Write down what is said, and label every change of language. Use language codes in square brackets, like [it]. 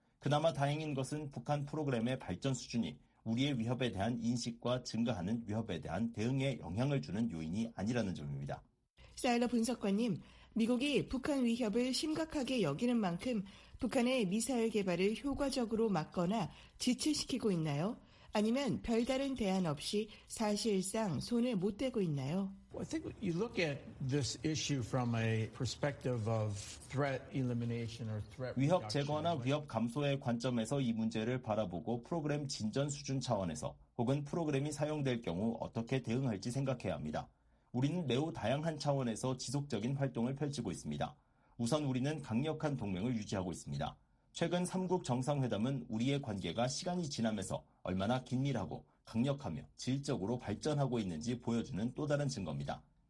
[ko] 그나마 다행인 것은 북한 프로그램의 발전 수준이 우리의 위협에 대한 인식과 증가하는 위협에 대한 대응에 영향을 주는 요인이 아니라는 점입니다. 사일러 분석관님, 미국이 북한 위협을 심각하게 여기는 만큼 북한의 미사일 개발을 효과적으로 막거나 지체시키고 있나요? 아니면 별다른 대안 없이 사실상 손을 못 대고 있나요? [en] I think you look at this issue from a perspective of threat elimination or threat reduction. [ko] 위협 제거나 위협 감소의 관점에서 이 문제를 바라보고 프로그램 진전 수준 차원에서 혹은 프로그램이 사용될 경우 어떻게 대응할지 생각해야 합니다. 우리는 매우 다양한 차원에서 지속적인 활동을 펼치고 있습니다. 우선 우리는 강력한 동맹을 유지하고 있습니다. 최근 3국 정상회담은 우리의 관계가 시간이 지나면서 얼마나 긴밀하고 강력하며 질적으로 발전하고 있는지 보여주는 또 다른 증거입니다.